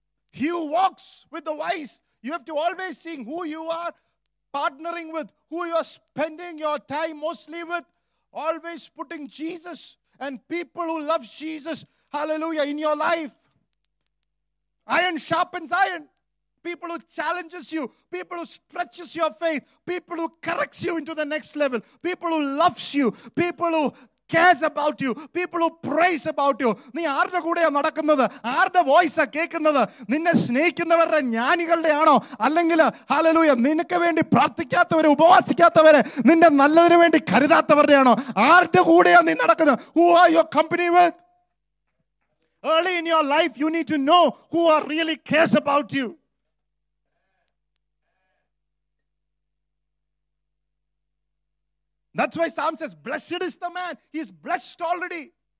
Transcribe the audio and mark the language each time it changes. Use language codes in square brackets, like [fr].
[en] He who walks with the wise, you have to always see who you are partnering with, who you are spending your time mostly with, always putting Jesus and people who love Jesus, hallelujah, in your life. Iron sharpens iron. People who challenges you, people who stretches your faith, people who corrects you into the next level, people who loves you, people who cares about you, people who prays about you. [ml] നീ ആരുടെ കൂടെയാണ് നടക്കുന്നത്? ആരുടെ വോയിസാ കേൾക്കുന്നത്? നിന്നെ സ്നേഹിക്കുന്നവരുടെ ജ്ഞാനികളുടെയാണോ? അല്ലെങ്കിൽ hallelujah നിനക്ക് വേണ്ടി പ്രാർത്ഥിക്കാത്തവരെ, ഉപവാസിക്കാത്തവരെ, നിന്റെ നല്ലതിനു വേണ്ടി കരുതാത്തവരുടെ ആണോ? ആരുടെ കൂടെയാണ് നീ നടക്കുന്നത്? [en] Who are your company with? Early in your life, you need to know who are really cares about you. That's why Psalm says, blessed is the man. He is blessed already.